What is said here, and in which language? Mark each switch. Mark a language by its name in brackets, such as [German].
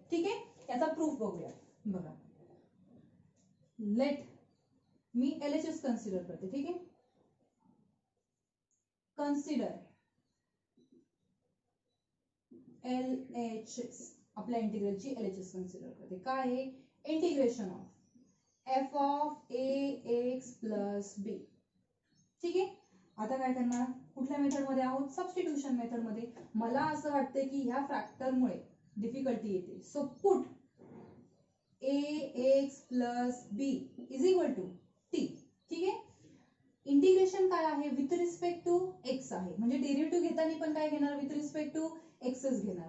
[Marathi] ठीक आहे, याचा प्रूफ बघूया. बघा, [English] let me [Marathi] L H S consider करते. ठीक आहे, कन्सिडर एल एच एस, आपल्या इंटिग्रलची एल एच एस कन्सिडर करते. काय आहे? [English] Integration of f of a x plus b. [Marathi] ठीक आहे, आता काय करणार, कुठल्या मेथड मध्ये आहोत? सबस्टिट्यूशन मेथड मध्ये. मला असं वाटतं की ह्या फॅक्टर मुळे डिफिकल्टी येते, [English] So put a x plus b is equal to t. [Marathi] ठीक आहे, इंटिग्रेशन काय आहे? विथ रिस्पेक्ट टू एक्स आहे, म्हणजे डेरिव्हेटिव्ह घेताना पण काय घेणार, विथ रिस्पेक्ट टू एक्सच घेणार.